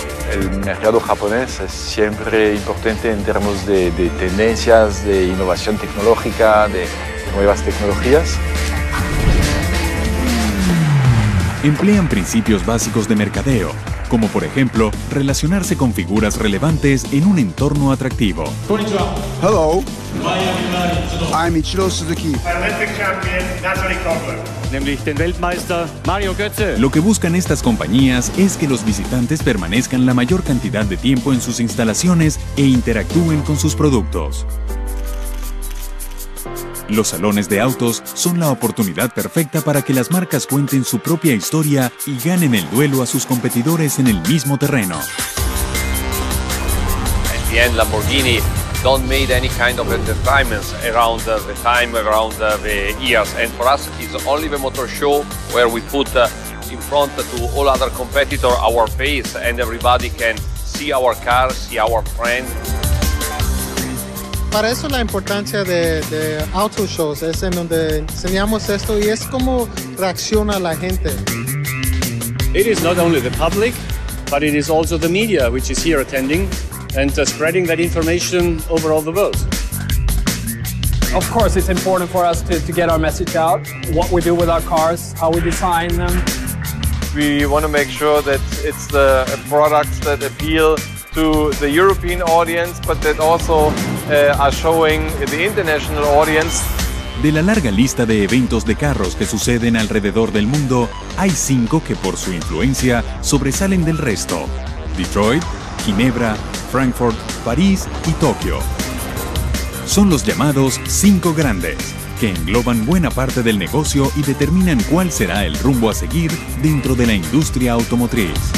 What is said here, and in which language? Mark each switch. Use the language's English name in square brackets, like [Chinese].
[Spanish] El mercado japonés es siempre importante en términos de tendencias, de innovación tecnológica, de nuevas tecnologías. Emplean principios básicos de mercadeo, como por ejemplo, relacionarse con figuras relevantes en un entorno atractivo. [English] Hello. I'm Ichiro Suzuki. Olympic champion, Natalie Coughlin. [German] Nämlich den Weltmeister, Mario Götze. [Spanish] Lo que buscan estas compañías es que los visitantes permanezcan la mayor cantidad de tiempo en sus instalaciones e interactúen con sus productos. Los salones de autos son la oportunidad perfecta para que las marcas cuenten su propia historia y ganen el duelo a sus competidores en el mismo terreno. [English] At the end, Lamborghini don't made any kind of advertisements around the time, around the years. And for us, it's only the motor show where we put in front to all other competitors our face and everybody can see our car, see our friend. [Spanish] Para eso la importancia de auto shows es en donde enseñamos esto y es como reacciona la gente. [English] It is not only the public, but it is also the media which is here attending and spreading that information over all the world. Of course, it's important for us to get our message out, what we do with our cars, how we design them. We want to make sure that it's the products that appeal to the European audience, but that also are showing the international audience. [Spanish] De la larga lista de eventos de carros que suceden alrededor del mundo, hay cinco que por su influencia sobresalen del resto. Detroit, Ginebra, Frankfurt, París y Tokio. Son los llamados cinco grandes, que engloban buena parte del negocio y determinan cuál será el rumbo a seguir dentro de la industria automotriz.